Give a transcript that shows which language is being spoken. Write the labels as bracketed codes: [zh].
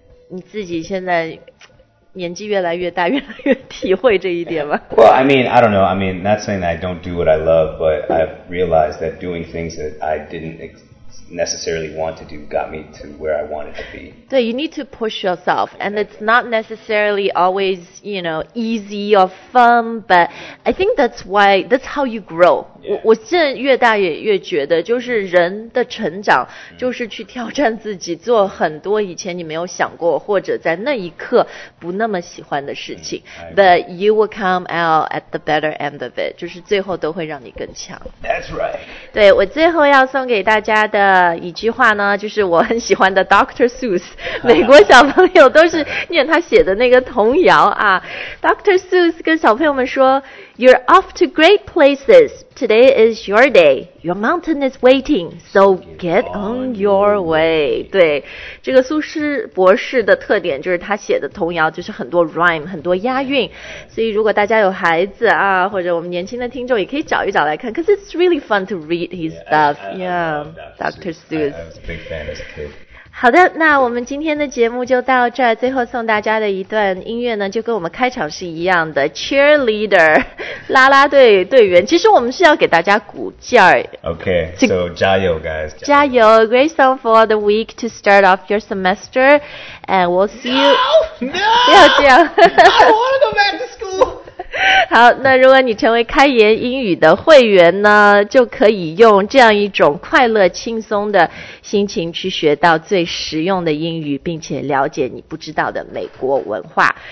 [zh] 你自己现在年纪越来越大，越来越体会这一点吗？ [en] Well, I mean, I don't know. I mean, not saying that I don't do what I love, but I've realized that doing things that I didn't necessarily want to do got me to where I wanted to be. [zh] 对, [en] you need to push yourself. And it's not necessarily always, you know, easy or fun, but I think that's how you grow. Yeah. [zh] 我现在越大越觉得就是人的成长就是去挑战自己，做很多以前你没有想过或者在那一刻不那么喜欢的事情。 [en] But you will come out at the better end of it. [zh] 就是最后都会让你更强。 [en] That's right. [zh] 对，我最后要送给大家的一句话呢，就是我很喜欢的 Dr. Seuss。美国小朋友都是念他写的那个童谣啊。 [en] Dr. Seuss [zh] 跟小朋友们说， [en] You're off to great places. Today is your day. Your mountain is waiting, so get on your way. [zh] 对，这个苏诗博士的特点就是他写的童谣就是很多 rhyme, 很多押韵。所以如果大家有孩子啊，或者我们年轻的听众也可以找一找来看， [en] because it's really fun to read his stuff. Dr. Seuss. I was a big fan as a kid. [zh] 好的，那我们今天的节目就到这儿。最后送大家的一段音乐呢，就跟我们开场是一样的 ，cheerleader， 啦啦队队员。其实我们是要给大家鼓劲儿。 [en] Okay, so [zh] 加油 [en] guys. [zh] 加油 [en] ，great song for the week to start off your semester, and we'll see you. No, [zh] 不要这样。 [en] I don't want to go back to school. [zh] 好，那如果你成为开言英语的会员呢，就可以用这样一种快乐轻松的心情去学到最实用的英语，并且了解你不知道的美国文化。